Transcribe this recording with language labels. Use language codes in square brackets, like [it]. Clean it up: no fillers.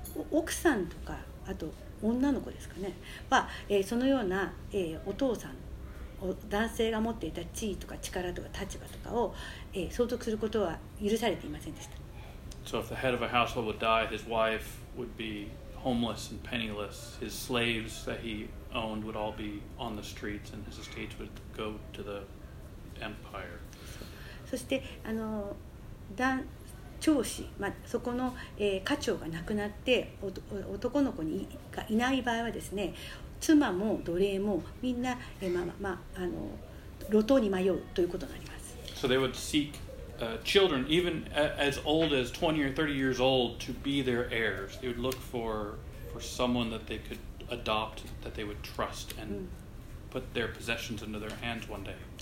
[ja] 奥さんとか、あと女の子ですかね、は、そのような、お父さん、男性が持っていた地位とか力とか立場とかを、相続することは許されていませんでした。 [en] So if the head of a household would die, his wife would be homeless and penniless. His slaves that heowned would all be on the streets and his estates would go to the empire. [ja] そしてあの長子、まあ、そこの、家長が亡くなって男の子にがいない場合はですね、妻も奴隷もみんな、まあまあ、あの路頭に迷うということになります。 [en] So they would seek、children even as old as 20 or 30 years old to be their heirs. They would look for someone that they couldadopt that they would trust and put their possessions into their hands one day.